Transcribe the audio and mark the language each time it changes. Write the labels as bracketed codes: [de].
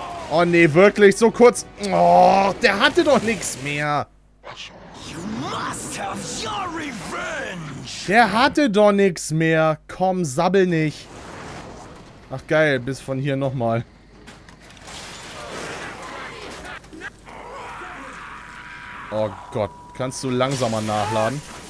[de] Oh nee, wirklich so kurz. Oh, der hatte doch nichts mehr. [en] You must have your revenge. [de] Der hatte doch nichts mehr. Komm, sabbel nicht. Ach geil, bis von hier nochmal. Oh Gott, kannst du langsamer nachladen?